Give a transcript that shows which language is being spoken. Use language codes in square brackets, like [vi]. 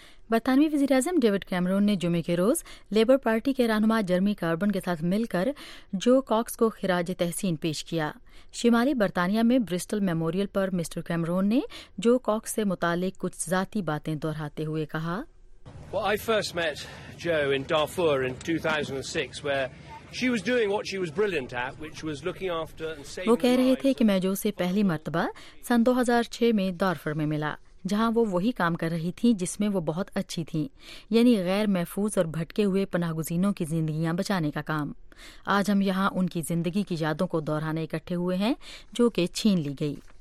[ur] برطانوی وزیر اعظم David Cameroon نے جمعے کے روز لیبر پارٹی کے رہنما جرمی کاربن کے ساتھ مل کر جو کاکس کو خراج تحسین پیش کیا۔ شمالی برطانیہ میں برسٹل میموریل پر مسٹر کیمرون نے جو کاکس سے متعلق کچھ ذاتی باتیں دہراتے ہوئے کہا، [en] Well, I first met Jo in Darfur in 2006, where she was doing what she was brilliant at, which was looking after and saving. [ur] وہ کہہ رہے تھے کہ میں جو اسے پہلی مرتبہ سن 2006 میں دارفور میں ملا, جہاں وہ وہی کام کر رہی تھیں جس میں وہ بہت اچھی تھیں, یعنی غیر محفوظ اور بھٹکے ہوئے پناہ گزینوں کی زندگیاں بچانے کا کام. آج ہم یہاں ان کی زندگی کی یادوں کو دہرانے اکٹھے ہوئے ہیں جو کہ چھین لی گئی.